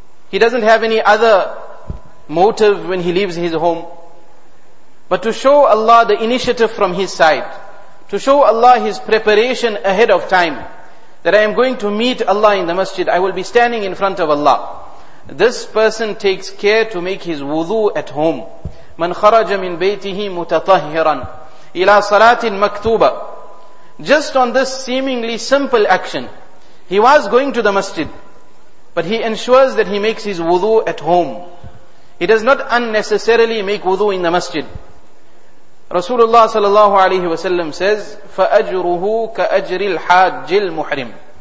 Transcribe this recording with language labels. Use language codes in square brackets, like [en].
[en] He doesn't have any other motive when he leaves his home. But to show Allah the initiative from his side, to show Allah his preparation ahead of time, that I am going to meet Allah in the masjid, I will be standing in front of Allah. This person takes care to make his wudu at home. [ar] من خرج من بيته متطهرا إلى صلاة مكتوبة. [en] Just on this seemingly simple action, he was going to the masjid, but he ensures that he makes his wudu at home. He does not unnecessarily make wudu in the masjid. Rasulullah sallallahu alayhi wa sallam says, [ar] فَأَجْرُهُ كَأَجْرِ الْحَاجِّ الْمُحْرِمِ.